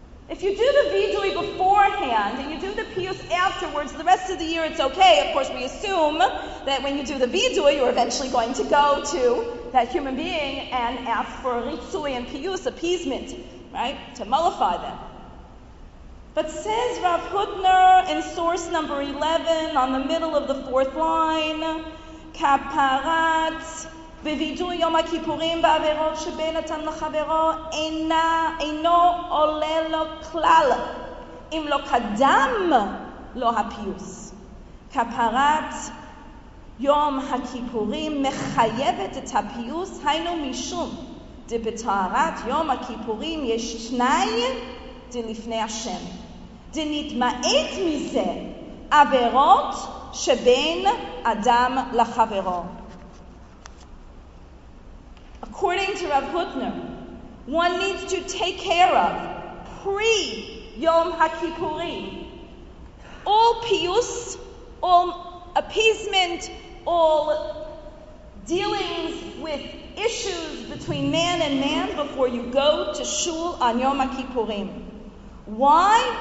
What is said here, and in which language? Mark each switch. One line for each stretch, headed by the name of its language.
English: If you do the vidui beforehand and you do the pius afterwards, the rest of the year it's okay. Of course, we assume that when you do the vidui, you're eventually going to go to that human being and ask for ritsui and pius, appeasement, right, to mollify them. But says Rav Huttner in source number 11 on the middle of the fourth line, kaparat
Hebrew: בוידוי יום הכיפורים בעבירות שבין נתן לחברו אינו עולה לו כלל אם לא קדם לו הפיוס. כפרת יום הכיפורים מחייבת את הפיוס, היינו משום דבטהרת יום הכיפורים יש תנאי דלפני השם דנתמעט מזה עבירות שבין אדם לחברו.
English: According to Rav Huttner, one needs to take care of pre-Yom HaKippurim all pius, all appeasement, all dealings with issues between man and man before you go to shul on Yom HaKippurim. Why?